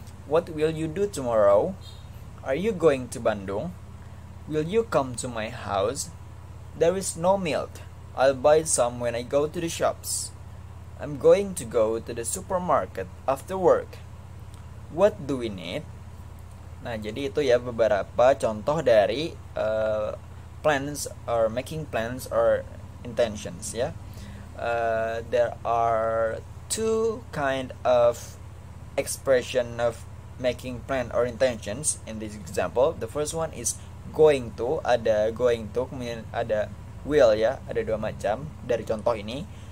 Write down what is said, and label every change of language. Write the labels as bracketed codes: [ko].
[en] What will you do tomorrow? Are you going to Bandung? Will you come to my house? There is no milk. I'll buy some when I go to the shops. I'm going to go to the supermarket after work. What do we need? [id] Nah, jadi itu ya beberapa contoh dari [en] plans or making plans or intentions [id] ya. [en] There are two kind of expression of making plan or intentions in this example. The first one is going to, [id] ada going to, kemudian ada will ya, ada dua macam dari contoh ini.